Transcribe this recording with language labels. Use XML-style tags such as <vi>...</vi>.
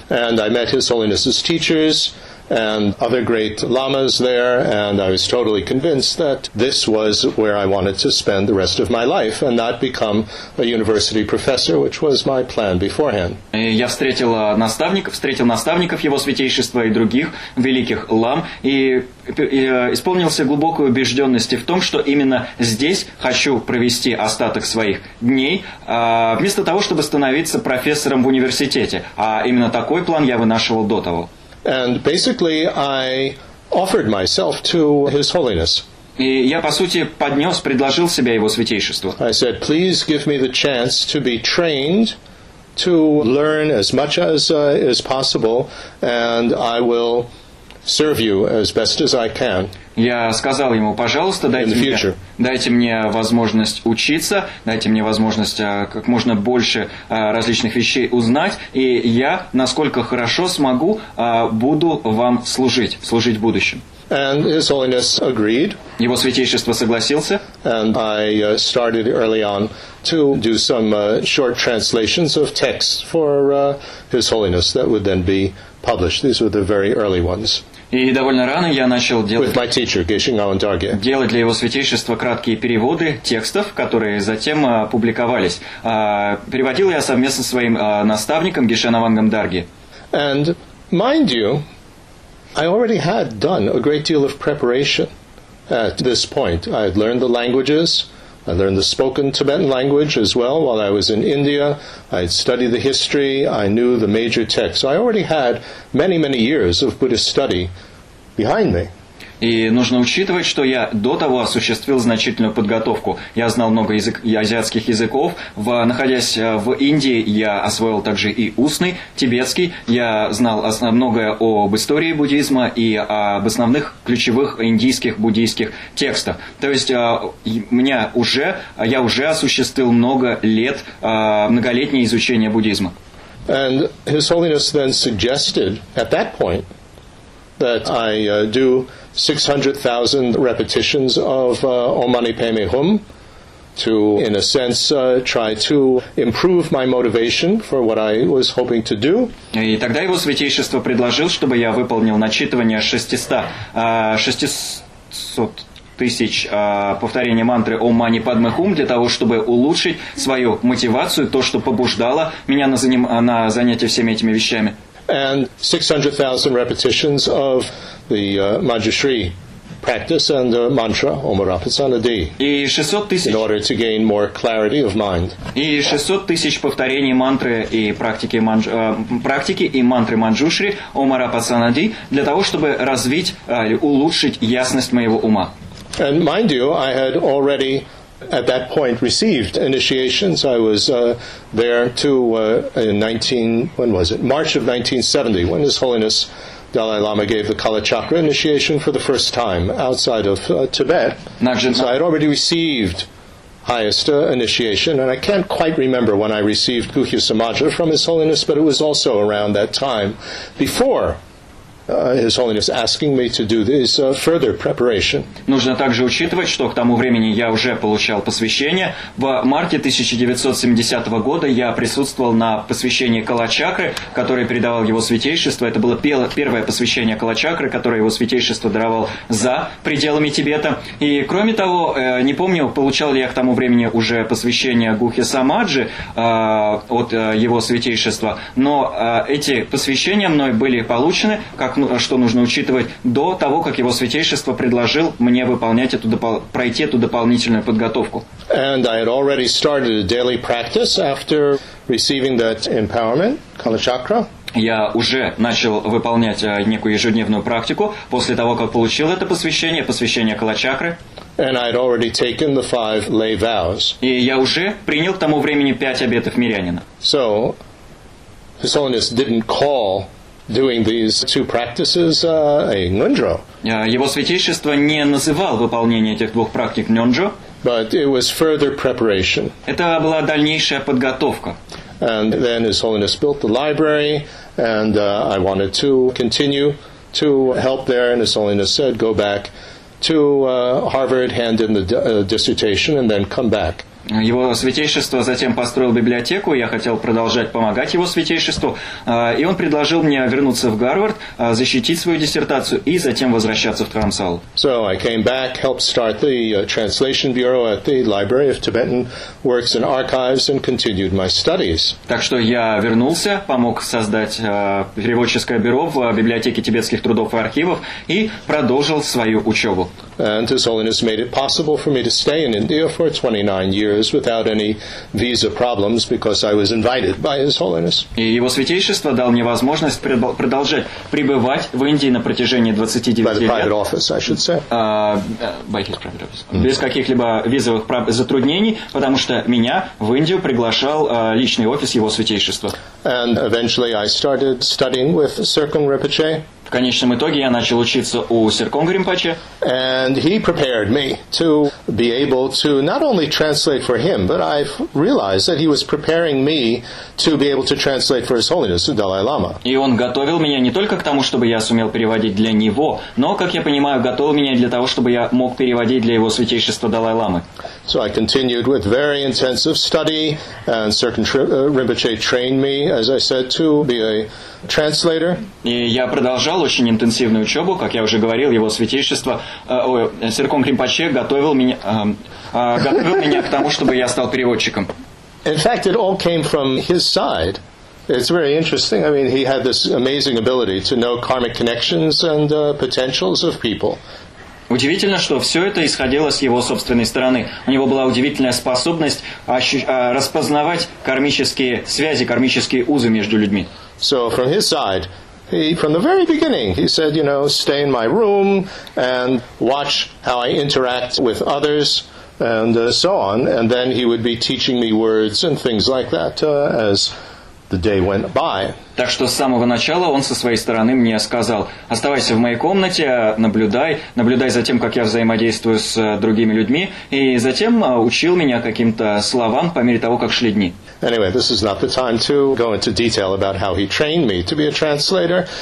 <en>And I met His Holiness's teachers and other great lamas there, and I was totally convinced that this was where I wanted to spend the rest of my life and not become a university professor, which was my plan beforehand.</en> <ru>Я встретил наставников Его Святейшества и других великих лам, и исполнился глубокой убежденности в том, что именно здесь хочу провести остаток своих дней, вместо того, чтобы становиться профессором в университете. А именно такой план я вынашивал до того.</ru> <en>And basically, I offered myself to His Holiness.</en> <ru>И я, по сути, поднес, предложил себя Его Святейшеству.</ru> <en>I said, please give me the chance to be trained, to learn as much as is possible, and I will serve you as best as I can.</en> <ru>Я сказал ему, пожалуйста, дайте мне возможность учиться, дайте мне возможность как можно больше различных вещей узнать, и я, насколько хорошо смогу, буду вам служить в будущем.</ru> <en>And His Holiness agreed.</en> <ru>Его Святейшество согласился.</ru> <en>And I started early on to do some short translations of texts for His Holiness that would then be published. These were the very early ones.</en> <ru>И довольно рано я начал делать для Его Святейшества краткие переводы текстов, которые затем публиковались. Переводил я совместно со своим наставником Гешенавангом Дарги.</ru> <en>And mind you, I already had done a great deal of preparation at this point. I had learned the languages. I learned the spoken Tibetan language as well while I was in India. I had studied the history. I knew the major texts. So I already had many, many years of Buddhist study behind me.</en> <ru>И нужно учитывать, что я до того осуществил значительную подготовку. Я знал много азиатских языков. Находясь в Индии, я освоил также и устный тибетский. Я знал многое об истории буддизма и об основных ключевых индийских буддийских текстах. То есть я уже осуществил много лет многолетнее изучение буддизма.</ru> <en>And His Holiness then suggested at that point that I do 600,000 repetitions of Om Mani Padme Hum to, in a sense, try to improve my motivation for what I was hoping to do.</en> <ru>И тогда Его Святейшество предложил, чтобы я выполнил начитывание 600 тысяч повторений мантры Ом Мани Падме Хум для того, чтобы улучшить свою мотивацию, то, что побуждало меня на занятие всеми этими вещами.</ru> <en>And 600,000 repetitions of the Manjushri practice and the mantra Om Rapasana D. In order to gain more clarity of mind.</en> <ru>И 600,000 повторений мантры и практики и мантры Манджушри Ом Рапасана Ди для того, чтобы улучшить ясность моего ума.</ru> <en>And mind you, I had already at that point received initiations. I was March of 1970, when His Holiness Dalai Lama gave the Kalachakra initiation for the first time outside of Tibet. So I had already received highest initiation, and I can't quite remember when I received Guhya Samaja from His Holiness, but it was also around that time, before His Holiness asking me to do this further preparation.</en> <ru>Нужно также учитывать, что к тому времени я уже получал посвящение. В марте 1970 года я присутствовал на посвящении Калачакры, которое передавал Его Святейшество. Это было первое посвящение Калачакры, которое Его Святейшество даровал за пределами Тибета. И кроме того, не помню, получал ли я к тому времени уже посвящение Гухе Самаджи от Его Святейшества, но эти посвящения мной были получены, как что нужно учитывать, до того, как Его Святейшество предложил мне выполнять эту пройти эту дополнительную подготовку.</ru> <en>And I had already started a daily practice after receiving that empowerment, Kalachakra.</en> <ru>Я уже начал выполнять некую ежедневную практику после того, как получил это посвящение, посвящение Калачакры.</ru> <en>And I had already taken the five lay vows.</en> <ru>И я уже принял к тому времени пять обетов мирянина.</ru> <en>So, His Holiness didn't call doing these two practices a нёндро.</en> <ru>Его Святейшество не называл выполнение этих двух практик нёндро.</ru> <en>But it was further preparation.</en> <ru>Это была дальнейшая подготовка.</ru> <en>And then His Holiness built the library, and I wanted to continue to help there, and His Holiness said, go back to Harvard, hand in the dissertation, and then come back.</en> <ru>Его Святейшество затем построил библиотеку, я хотел продолжать помогать Его Святейшеству, и он предложил мне вернуться в Гарвард, защитить свою диссертацию и затем возвращаться в Трансвал.</ru> <en>So I came back, helped start the translation bureau at the Library of Tibetan Works and Archives and continued my studies.</en> <ru>Так что я вернулся, помог создать переводческое бюро в библиотеке тибетских трудов и архивов и продолжил свою учебу.</ru> <en>And His Holiness made it possible for me to stay in India for 29 years without any visa problems because I was invited by His Holiness.</en> <ru>И Его Святейшество дал мне возможность продолжать пребывать в Индии на протяжении 29 лет.</ru> <en>By the private office, I should say. By his private office. Mm-hmm.</en> <ru>Без каких-либо визовых затруднений, потому что меня в Индию приглашал личный офис Его Святейшества.</ru> <en>And eventually I started studying with Sirkong Rinpoche.</en> <ru>В конечном итоге я начал учиться у Серконга Ринпоче.</ru> <en>And he prepared me to be able to not only translate for him, but I've realized that he was preparing me to be able to translate for His Holiness the Dalai Lama.</en> <ru>И он готовил меня не только к тому, чтобы я сумел переводить для него, но, как я понимаю, готовил меня для того, чтобы я мог переводить для Его Святейшества Далай Ламы.</ru> <en>So I continued with very intensive study, and Serkan Rinpoche trained me, as I said, to be a translator.</en> <ru>И я продолжал очень интенсивную учебу, как я уже говорил, Его Святейшество, Серконг Ринпоче готовил меня к тому, чтобы я стал переводчиком.</ru> <en>In fact, it all came from his side. It's very interesting. I mean, he had this amazing ability to know karmic connections and potentials of people.</en> <ru>Удивительно, что все это исходило с его собственной стороны. У него была удивительная способность распознавать кармические связи, кармические узы между людьми.</ru> <en>So from his side, from the very beginning, he said, you know, stay in my room and watch how I interact with others and so on. And then he would be teaching me words and things like that as the day went by.</en> <ru>Так что с самого начала он со своей стороны мне сказал: оставайся в моей комнате, наблюдай за тем, как я взаимодействую с другими людьми, и затем учил меня каким-то словам по мере того, как шли дни.</ru> <en>Anyway, this is not the time to go into detail about how he trained me to be a translator.</en>